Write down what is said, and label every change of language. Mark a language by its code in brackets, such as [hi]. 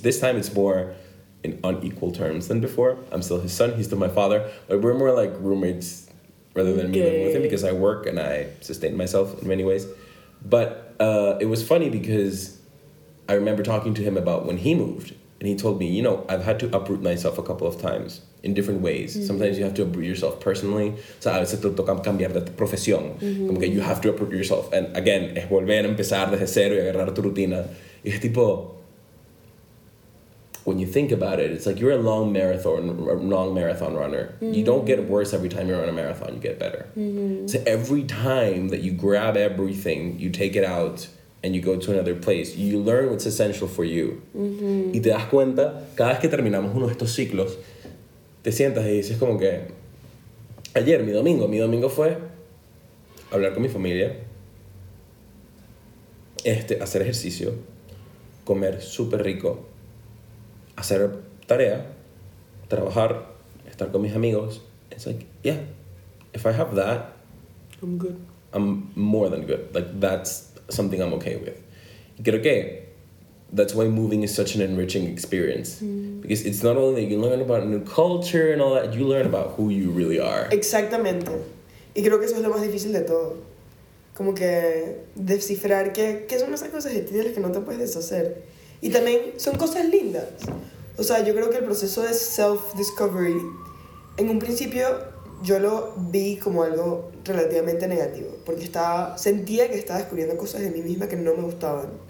[en] This time it's more in unequal terms than before. I'm still his son, he's still my father, but we're more like roommates rather than me living with him, because I work and I sustain myself in many ways. But it was funny because I remember talking to him about when he moved, and he told me, you know, I've had to uproot myself a couple of times in different ways. Sometimes you have to uproot yourself personally. [es] So a veces te toca cambiar de profesión. Como que you have to uproot yourself. And again, es volver a empezar desde cero y agarrar tu rutina. [en] Y es tipo, when you think about it, it's like you're a long marathon runner. You don't get worse every time you run a marathon, you get better. So every time that you grab everything, you take it out, and you go to another place, you learn what's essential for you. [es] Y te das cuenta, cada vez que terminamos uno de estos ciclos, te sientas y dices como que, ayer, mi domingo fue hablar con mi familia, hacer ejercicio, comer súper rico, hacer tarea, trabajar, estar con mis amigos. [en] It's like, yeah, if I have that, I'm good. I'm more than good. Like, that's something I'm okay with. Creo que that's why moving is such an enriching experience. Because it's not only that you learn about a new culture and all that, you learn about who you really are. [es] Exactamente. Y creo que eso es lo más difícil de todo. Como que descifrar que son esas cosas de las que no te puedes deshacer. Y también son cosas lindas. O sea, yo creo que el proceso de self-discovery, en un principio, yo lo vi como algo relativamente negativo, porque sentía que estaba descubriendo cosas de mí misma que no me gustaban.